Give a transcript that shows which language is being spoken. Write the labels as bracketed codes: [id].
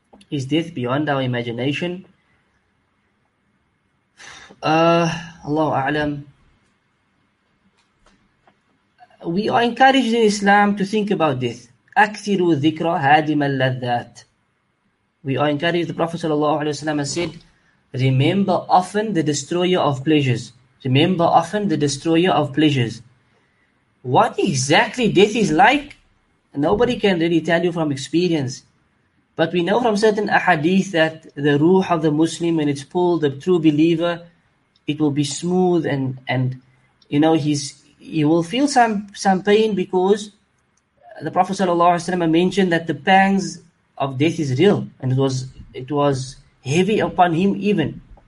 [en] Is death beyond our imagination? Allahu A'lam. We are encouraged in Islam to think about death. [ar] أكثروا الذكرى هادم اللذات. [en] We are encouraged, the Prophet sallallahu alaihi wasallam has said, remember often the destroyer of pleasures. Remember often the destroyer of pleasures. What exactly death is like, nobody can really tell you from experience. But we know from certain ahadith that the ruh of the Muslim, when it's pulled, the true believer, it will be smooth and you know, he will feel some pain, because the Prophet sallallahu alaihi wasallam mentioned that the pangs of death is real, and it was heavy upon him even.